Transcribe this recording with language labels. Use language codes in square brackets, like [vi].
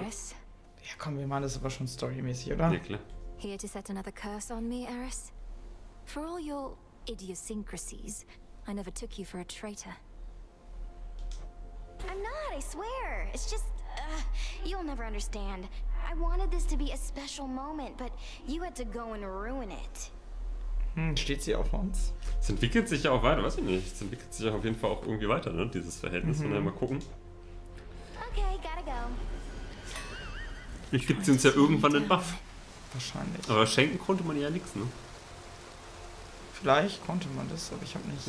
[de] Ja komm, wir machen das aber schon storymäßig, oder? Ja, klar. [en] Here to set another curse on me, Eris. For all your idiosyncrasies, I never took you for a traitor. I'm not, I swear. It's just, you'll never understand. I wanted this to be a special moment, but you had to go and ruin it. [de] Steht sie auf uns? Es entwickelt sich ja auch weiter, weiß ich nicht. Es entwickelt sich ja auf jeden Fall auch irgendwie weiter, ne? Dieses Verhältnis. Mhm. Von daher mal gucken. [en] Okay, gotta go. [de] Vielleicht gibt sie uns ja irgendwann einen Buff. Wahrscheinlich. Aber schenken konnte man ja nichts, ne? Vielleicht konnte man das, aber ich hab nicht.